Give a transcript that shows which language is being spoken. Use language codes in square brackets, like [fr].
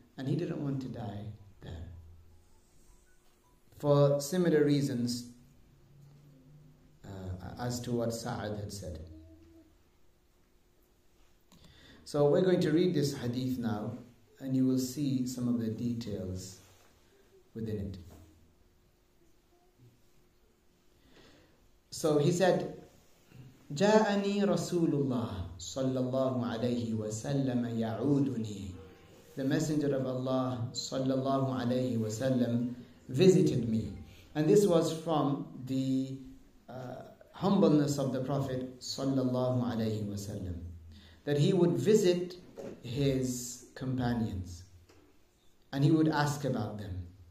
[en] And he didn't want to die there. For similar reasons as to what Sa'd had said. So we're going to read this hadith now, and you will see some of the details within it. So he said, [ar] جاءني رسول الله صلى الله عليه وسلم يعودني. [en] The Messenger of Allah [ar] صلى الله عليه وسلم [en] visited me. And this was from the humbleness of the Prophet [ar] صلى الله عليه وسلم, [en] that he would visit his companions and he would ask about them.